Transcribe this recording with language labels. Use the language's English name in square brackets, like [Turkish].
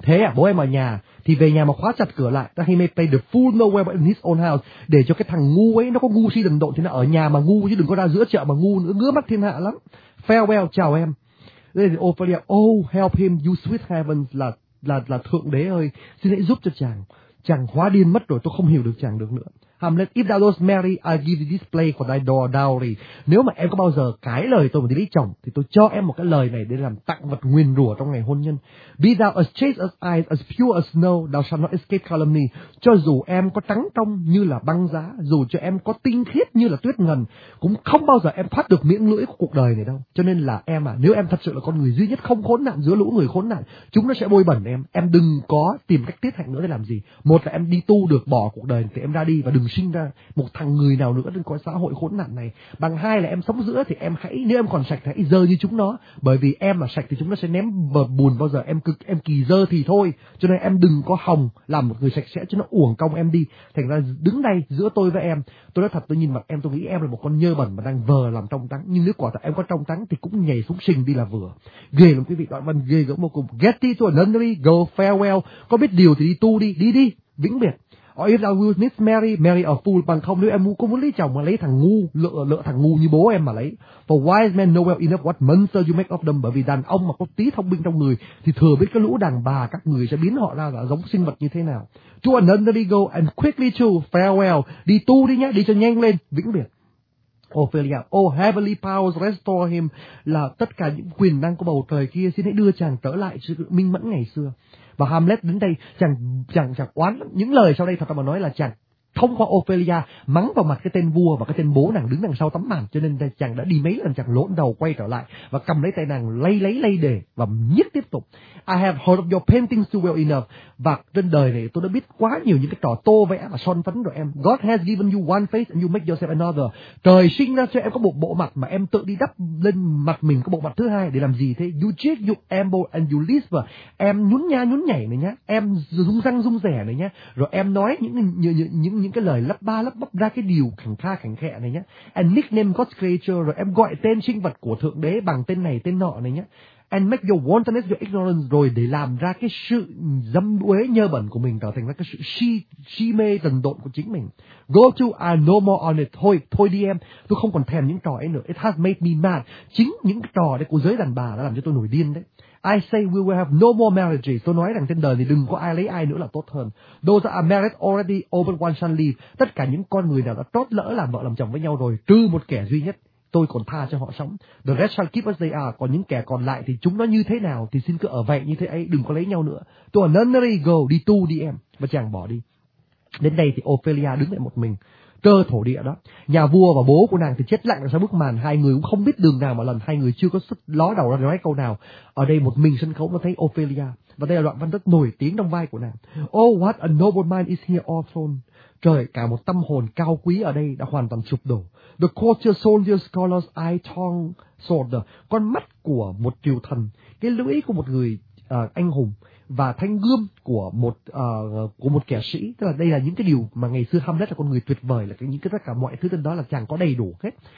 [Vietnamese] Thế à, bố em ở nhà thì về nhà mà khóa chặt cửa lại. [English] That he may play the fool nowhere but in his own house. [Vietnamese] Để cho cái thằng ngu ấy, nó có ngu si đần độn thì nó ở nhà mà ngu, chứ đừng có ra giữa chợ mà ngu nữa, ngứa mắt thiên hạ lắm. [English] Farewell, [Vietnamese] chào em. Đây thì Ophelia, [English] oh help him, you sweet heavens, [Vietnamese] là thượng đế ơi, xin hãy giúp cho chàng. Chàng hóa điên mất rồi, tôi không hiểu được chàng được nữa. [English] Hamlet, if thou dost marry, I'll give thee this play for thy door dowry. [Vietnamese] Nếu mà em có bao giờ cãi lời tôi mà đi lấy chồng, thì tôi cho em một cái lời này để làm tặng vật nguyền rủa trong ngày hôn nhân. [English] Be thou as chaste as ice, as pure as snow, thou shalt not escape calumny. [Vietnamese] Cho dù em có trắng trong như là băng giá, dù cho em có tinh khiết như là tuyết ngần, cũng không bao giờ em thoát được miệng lưỡi của cuộc đời này đâu. Cho nên là em à, nếu em thật sự là con người duy nhất không khốn nạn giữa lũ người khốn nạn, chúng nó sẽ bôi bẩn em đừng có tìm cách tiết hạnh nữa để làm gì. Một là em đi tu được, bỏ cuộc đời thì em ra đi và đừng sinh ra một thằng người nào nữa trên cõi xã hội khốn nạn này. Bằng hai là em sống giữa thì em hãy, nếu em còn sạch thì hãy dơ như chúng nó, bởi vì em mà sạch thì chúng nó sẽ ném bờ bùn bao giờ em cực, em kỳ dơ thì thôi. Cho nên em đừng có hòng làm một người sạch sẽ cho nó uổng công em đi. Thành ra đứng đây giữa tôi với em, tôi nói thật, tôi nhìn mặt em tôi nghĩ em là một con nhơ bẩn mà đang vờ làm trong trắng, nhưng nếu quả thật em có trong trắng thì cũng nhảy xuống sình đi là vừa. Ghê lắm quý vị, đoạn văn ghê gớm vô cùng. [English] Get thee to a nunnery, go farewell, [Vietnamese] có biết điều thì đi tu đi, đi đi vĩnh biệt. [English] Or if thou wilt needs marry, marry a fool. [Vietnamese] Bằng không, nếu em có muốn lấy chồng mà lấy thằng ngu, lựa thằng ngu như bố em mà lấy. [English] For wise men know well enough what monster you make of them. [Vietnamese] Bởi vì đàn ông mà có tí thông minh trong người thì thừa biết cái lũ đàn bà các người sẽ biến họ ra là giống sinh vật như thế nào. [English] To another go and quickly to farewell. [Vietnamese] Đi tu đi nhé, đi cho nhanh lên, vĩnh biệt. [English] Ophelia, oh heavenly powers restore him. [Vietnamese] Là tất cả những quyền năng của bầu trời kia, xin hãy đưa chàng trở lại sự minh mẫn ngày xưa. Và Hamlet đến đây chàng oán lắm. Những lời sau đây thật ra mà nói là chàng thông qua Ophelia mắng vào mặt cái tên vua và cái tên bố nàng đứng đằng sau tấm màn, cho nên chàng đã đi mấy lần chàng lộn đầu quay trở lại và cầm lấy tay nàng lay đề và nhất tiếp tục. [English] I have heard of your paintings too well enough. [Vietnamese] Và trên đời này tôi đã biết quá nhiều những cái trò tô vẽ và son phấn rồi em. [English] God has given you one face and you make yourself another. [Vietnamese] Trời sinh ra cho em có một bộ mặt mà em tự đi đắp lên mặt mình có bộ mặt thứ hai để làm gì thế? [English] You cheat, you amble and you lisp. [Vietnamese] Em nhún nha nhún nhảy này nhá, em rung răng rung rẻ này nhá, rồi em nói những cái lời lấp ba lấp bắp ra cái điều khẳng kha khẳng khẹ này nhá. [English] And nickname God's creature, [Vietnamese] rồi em gọi tên sinh vật của thượng đế bằng tên này tên nọ này nhá. [English] And make your wantonness, your ignorance, [Vietnamese] rồi để làm ra cái sự dâm uế nhơ bẩn của mình trở thành ra cái sự si mê tần độn của chính mình. [English] Go to, I no more on it. [Vietnamese] Thôi, thôi đi em, tôi không còn thèm những trò ấy nữa. [English] It has made me mad. [Vietnamese] Chính những trò đấy của giới đàn bà đã làm cho tôi nổi điên đấy. [English] I say we will have no more marriages. [Vietnamese] Tôi nói rằng trên đời thì đừng có ai lấy ai nữa là tốt hơn. [English] Those that are married already, open one shall leave. [Vietnamese] Tất cả những con người nào đã trót lỡ làm vợ làm chồng với nhau rồi, trừ một kẻ duy nhất, tôi còn tha cho họ sống. [English] The rest shall keep as they are. [Vietnamese] Còn những kẻ còn lại thì chúng nó như thế nào thì xin cứ ở vậy như thế ấy, đừng có lấy nhau nữa. [English] To a nunnery go, [Vietnamese] đi tu đi em. Và chàng bỏ đi. Đến đây thì Ophelia đứng lại một mình. Cơ thổ địa đó, nhà vua và bố của nàng thì chết lặng sau bức màn, hai người cũng không biết đường nào mà lần hai người chưa có sức ló đầu ra nói câu nào. Ở đây một mình sân khấu mà thấy Ophelia, và đây là đoạn văn rất nổi tiếng trong vai của nàng. [English] Oh, what a noble mind is here all throne. [Vietnamese] Trời, cả một tâm hồn cao quý ở đây đã hoàn toàn sụp đổ. [English] The courtier soldier scholar's eye tongue sword, [Vietnamese] con mắt của một triều thần, cái lưỡi của một người anh hùng, và thanh gươm của một kẻ sĩ, tức là đây là những cái điều mà ngày xưa Hamlet là con người tuyệt vời, là những cái tất cả mọi thứ trên đó là chàng có đầy đủ hết.